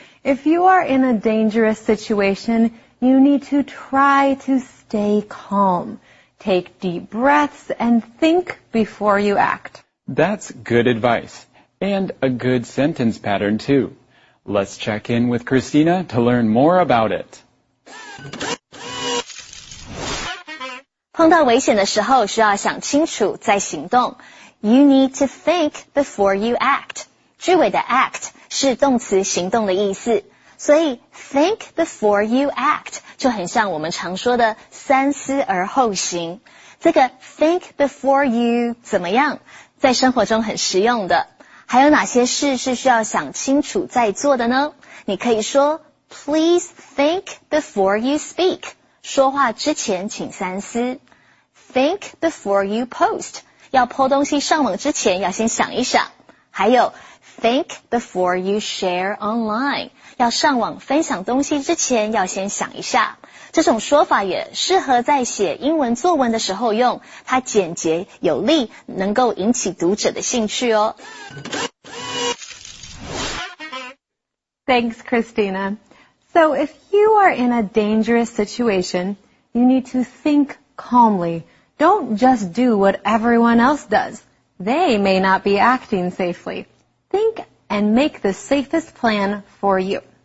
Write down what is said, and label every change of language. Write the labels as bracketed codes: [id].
[en] If you are in a dangerous situation, you need to try to stay calm. Take deep breaths and think before you act. That's good advice and a good sentence pattern too. Let's check in with Christina to learn more about it. [zh] 碰到危险的时候需要想清楚再行动。 [en] You need to think before you act. [zh] 句尾的 act 是动词行动的意思。所以 [en] think before you act [zh] 就很像我们常说的三思而后行。这个 think before you 怎么样在生活中很实用的。还有哪些事是需要想清楚再做的呢？你可以说 [en] please think before you speak. [zh] 说话之前请三思。 [en] think before you post. [zh] 要po东西上网之前要先想一想。还有 [en] think before you share online, [zh] 要上网分享东西之前要先想一下。这种说法也适合在写英文作文的时候用，它简洁有力，能够引起读者的兴趣哦。 [en] Thanks, Christina. So if you are in a dangerous situation, you need to think calmly. Don't just do what everyone else does. They may not be acting safely. Think and make the safest plan for you.